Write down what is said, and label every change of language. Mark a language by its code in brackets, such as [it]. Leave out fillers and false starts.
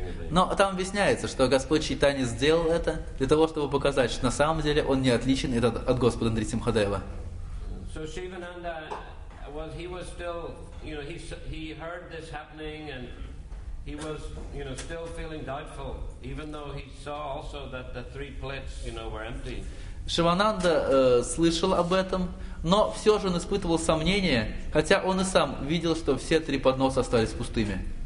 [ru] Но там объясняется, что Господь Чайтанья сделал это для того, чтобы показать, что на самом деле он не отличен от Господа Нарисимхадева. [en] So Шивананда, he was still, you know, he heard this happening and he was, you know, still feeling doubtful, even though he saw also that the three plates, you know, were empty. [ru] Шивананда слышал об этом, но все же он испытывал сомнения, хотя он и сам видел, что все три подноса остались пустыми.